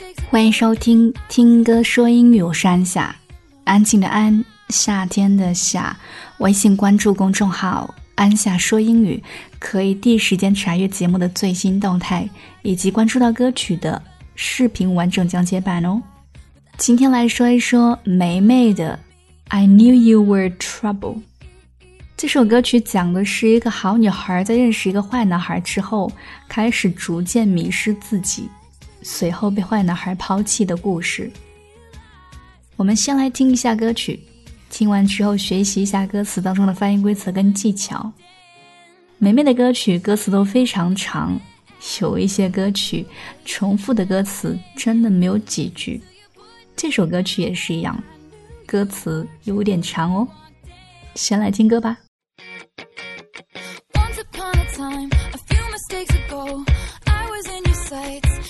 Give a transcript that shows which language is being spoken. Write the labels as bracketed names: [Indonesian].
[Chinese] 欢迎收听听歌说英语，我是安夏，安静的安，夏天的夏。微信关注公众号安夏说英语，可以第一时间查阅节目的最新动态，以及关注到歌曲的视频完整讲解版哦。今天来说一说梅梅的 I knew you were trouble。这首歌曲讲的是一个好女孩在认识一个坏男孩之后，开始逐渐迷失自己，随后被坏男孩抛弃的故事。我们先来听一下歌曲，听完之后学习一下歌词当中的发音规则跟技巧。梅梅的歌曲歌词都非常长，有一些歌曲重复的歌词真的没有几句，这首歌曲也是一样，歌词有点长哦。先来听歌吧。 [English] Once upon a time, a few mistakes ago, I was in your sights.